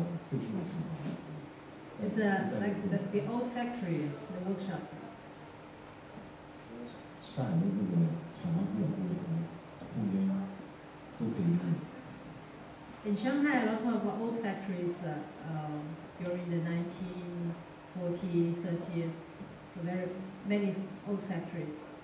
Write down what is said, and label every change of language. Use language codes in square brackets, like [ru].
[zh] 这个就是今年一个废弃的厂房。 [en] It's like the old factory, the workshop. [zh] 上海的这个厂房比较多，空间都可以用。 [en] In Shanghai, lots of old factories during the 1940s, 30s, so very many old factories.